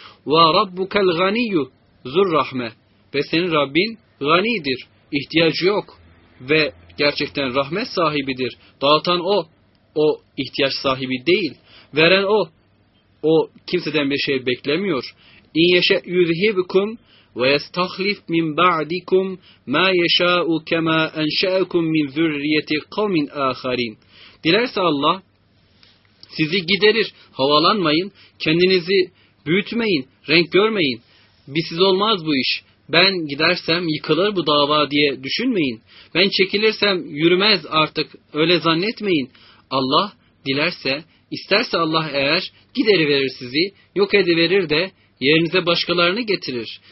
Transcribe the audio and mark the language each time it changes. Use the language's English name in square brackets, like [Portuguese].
[Arabic] وَرَبُّكَ الْغَنِيُّ ذُو الرَّحْمَةِ [Turkish] Ve senin Rabbin ganidir. İhtiyacı yok ve gerçekten rahmet sahibidir. Dağıtan o, o ihtiyaç sahibi değil. Veren o, o kimseden bir şey beklemiyor. [Arabic] اِنْ يَشَا يُذْهِبْكُمْ وَيَسْتَخْلِفْ مِنْ بَعْدِكُمْ مَا يَشَاءُ كَمَا أَنْشَأَكُمْ مِنْ ذُرِّيَّةِ قَوْمٍ آخَرِينَ [Turkish] Dilerse Allah sizi giderir. Havalanmayın, kendinizi büyütmeyin, renk görmeyin. Bizsiz olmaz bu iş. Ben gidersem yıkılır bu dava diye düşünmeyin. Ben çekilirsem yürümez artık, öyle zannetmeyin. Allah dilerse, isterse Allah eğer gideriverir sizi, yok ediverir de yerinize başkalarını getirir.